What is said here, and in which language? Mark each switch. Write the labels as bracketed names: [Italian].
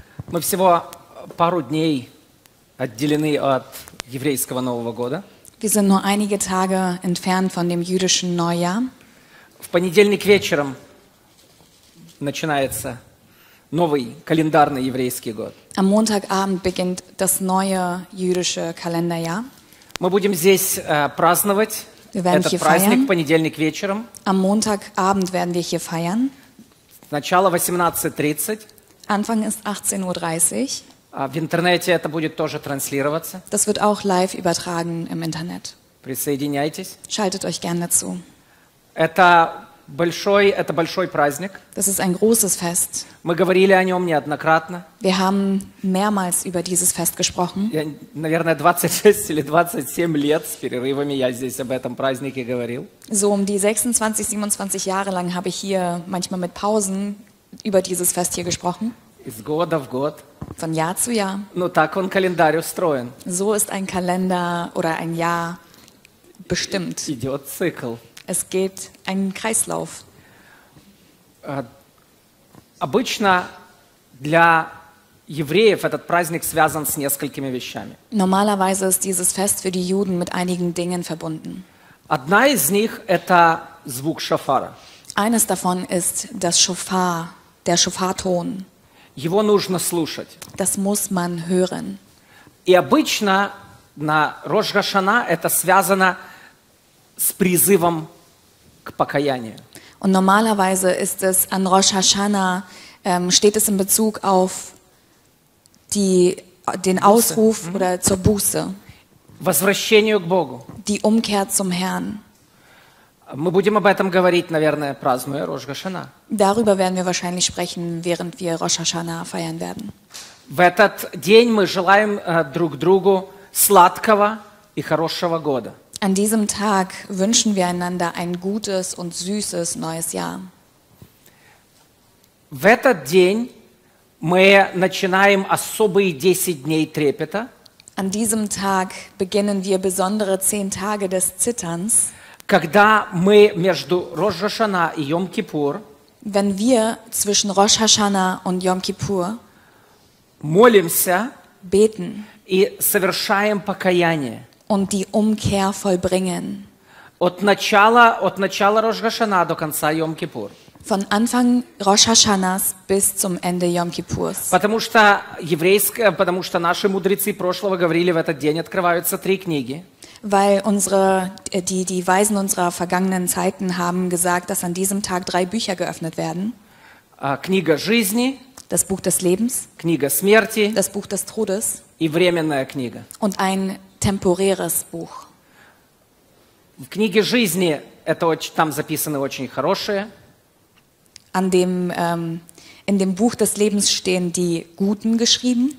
[Russian] Мы всего пару дней отделены от еврейского Нового года. [German] Wir sind nur einige Tage entfernt von dem jüdischen Neujahr. [Russian] В понедельник вечером начинается новый календарный еврейский год. [German] Am Montagabend beginnt das neue jüdische Kalenderjahr. [Russian] Мы будем здесь праздновать. [German] Wir werden [Russian] Этот [German] hier [Russian] праздник [German] feiern. [Russian] Понедельник вечером. [German] Am Montagabend werden wir hier feiern. [Russian] Начало 18:30. [German] Anfang ist 18:30 Uhr. [Russian] В интернете это будет тоже транслироваться. [German] Das wird auch live übertragen im Internet. [Russian] Присоединяйтесь. [German] Schaltet euch gerne dazu. [Russian] Это большой праздник. [German] Das ist ein großes Fest. [Russian] Мы говорили о нем неоднократно. [German] Wir haben mehrmals über dieses Fest gesprochen. [Russian] Я, наверное, 26 или 27 лет с перерывами я здесь об этом празднике говорил. [German] So um die 26, 27 Jahre lang habe ich hier manchmal mit Pausen über dieses Fest hier gesprochen. [Russian] Из года в год. [German] Von Jahr zu Jahr. [Russian] Ну, так он календарь устроен. [German] So ist ein Kalender oder ein Jahr bestimmt. [Russian] Идет цикл. [German] Es geht ein Kreislauf. [Russian] Обычно для евреев этот праздник связан с несколькими вещами. [German] Normalerweise ist dieses Fest für die Juden mit einigen Dingen verbunden. [Russian] Одна из них – это звук шофара. [German] Eines davon ist das Shofar, der Shofarton. [Russian] Его нужно слушать. [German] Das muss man hören. [Russian] И обычно на Рош Гашана это связано с призывом к покаянию. [German] Und normalerweise ist es an Rosh Hashanah, steht es in Bezug auf den Ausruf oder zur Buße. [Russian] Возвращению к Богу. [German] Die Umkehr zum Herrn. [Russian] Мы будем об этом говорить, наверное, празднуя Рош Гашана. [German] Darüber werden wir wahrscheinlich sprechen, während wir Rosh Hashanah feiern werden. [Russian] В этот день мы желаем друг другу сладкого и хорошего года. [German] An diesem Tag wünschen wir einander ein gutes und süßes neues Jahr. [Russian] В этот день мы начинаем особые 10 дней трепета. [German] An diesem Tag beginnen wir besondere 10 Tage des Zitterns. [Russian] Когда мы между Рош Гашана и Йом-Кипур, [German] wenn wir zwischen Rosh Hashanah und Yom Kippur [Russian] молимся, [German] beten [Russian] и совершаем покаяние. [German] Und die Umkehr vollbringen. [Russian] От начала Рош Гашана до конца Йом Кипур. [German] Von Anfang Rosh Hashanahs bis zum Ende Yom Kippurs. [Russian] Потому что наши мудрецы прошлого говорили, в этот день открываются три книги. [German] Weil die Weisen unserer vergangenen Zeiten haben gesagt, dass an diesem Tag drei Bücher geöffnet werden. [Russian] Книга жизни. [German] Das Buch des Lebens. [Russian] Книга смерти. [German] Das Buch des Todes. [Russian] И временная книга. [German] Und ein temporäres Buch. [Russian] В книге жизни там записаны очень хорошие. [German] In dem Buch des Lebens stehen die Guten geschrieben.